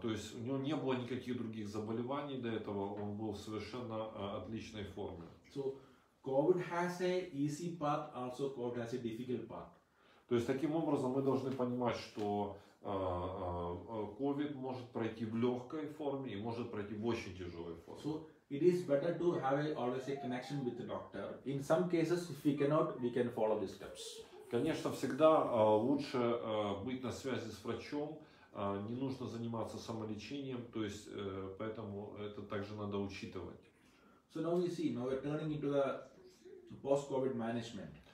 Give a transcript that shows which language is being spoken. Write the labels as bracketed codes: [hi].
[ru] То есть у него не было никаких других заболеваний до этого, он был в совершенно отличной форме. [en] So COVID has a easy path, also COVID has a difficult path. [ru] То есть таким образом мы должны понимать, что COVID может пройти в легкой форме и может пройти в очень тяжелой форме. [en] So it is better to have always a connection with the doctor. In some cases, if we cannot, we can follow the steps. [ru] Конечно, всегда лучше быть на связи с врачом. Не нужно заниматься самолечением. То есть поэтому это также надо учитывать. [en] So now we see. Now we're turning into the post-COVID management.